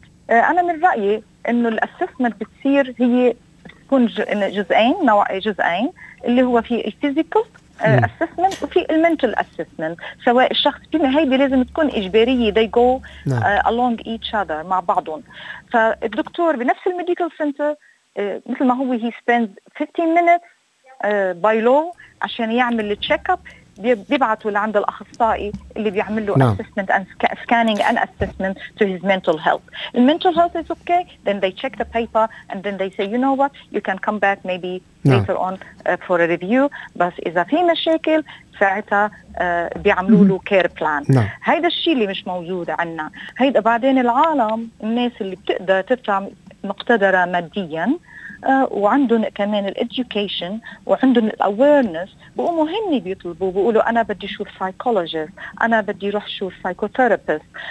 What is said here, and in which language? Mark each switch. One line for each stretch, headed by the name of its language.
Arabic: أنا من رأيي أنه الأسسمنت بتصير هي تكون جزئين, نوع جزئين اللي هو في الفيزيكال assessment وفي المنتل assessment, سواء الشخص فينا هيدي لازم تكون إجبارية,
English: they go along each other
Arabic: مع بعضهم. فالدكتور بنفس الميديكال سنتر مثل ما هو
English: he spends 15 minutes by law
Arabic: عشان يعمل
English: check up,
Arabic: بيبعتوا لعند الأخصائي اللي بيعمل له
English: assessment and scanning and assessment to his mental health. The mental health is okay, then they check the paper and then they say, you know what, you can come back maybe later on for a review.
Arabic: بس إذا في مشاكل ساعتها بيعملوا له care plan. هيدا الشيء اللي مش موجود عنا. هيدا بعدين العالم الناس اللي بتقدر تطلع مقتدرة ماديا وعندهم كمان الإدوكيشن وعندهم الأويرنس بقوموا هني بيطلبوا بيقولوا أنا بدي شوف سايكولوجيست, أنا بدي روح شوف سايكوثيرابيست.